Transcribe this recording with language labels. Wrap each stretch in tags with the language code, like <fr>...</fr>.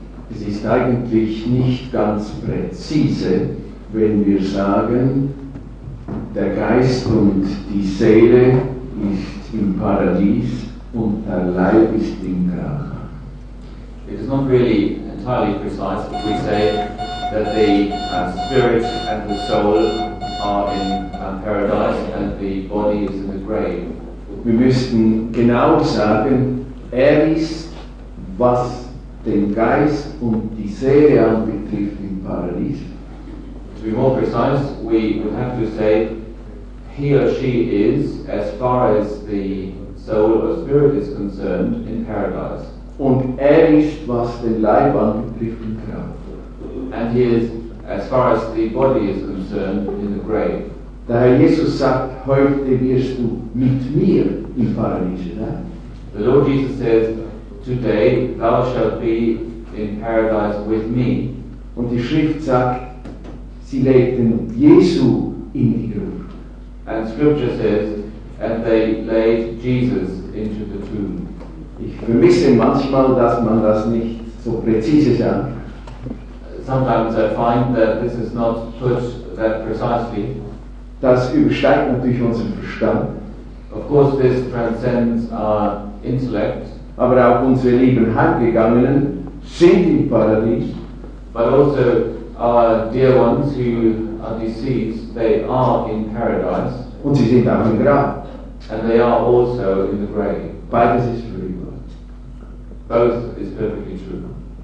<de>Es ist eigentlich nicht ganz präzise, wenn wir sagen, der Geist und die Seele ist im Paradies und der Leib ist im Grab.</de> <en>It is not really entirely precise if we say that the spirit and the soul are in paradise and the body is in the grave.</en> <de>Wir müssten genau sagen, ist, was den Geist und die Seele anbetrifft im Paradies.</de> <en>To be more precise, we would have to say he or she is, as far as the soul or spirit is concerned, in paradise.</en> <de>Und ist, was den Leib anbetrifft, im Grab.</de> <en>And he is, as far as the body is concerned, in the grave.</en> <de>Der Herr Jesus sagt, heute wirst du mit mir im Paradies sein.</de> <en>The Lord Jesus says, today thou shalt be in paradise with me.</en> <de>Und die Schrift sagt, sie legten Jesu in die Gruft.</de> <en>And scripture says, and they laid Jesus into the tomb.</en> <de>Ich vermisse manchmal, dass man das nicht so präzise sagt.</de> <en>Sometimes I find that this is not put that precisely.</en> <de>Das übersteigt natürlich unseren Verstand.</de> <en>Of course this transcends our intellect.</en> <de>Aber auch unsere lieben Heimgegangenen sind im Paradies.</de> <en>but also our dear ones who are deceased, they are in paradise. And they are also in the grave. Both is true. Both is perfectly true.</en>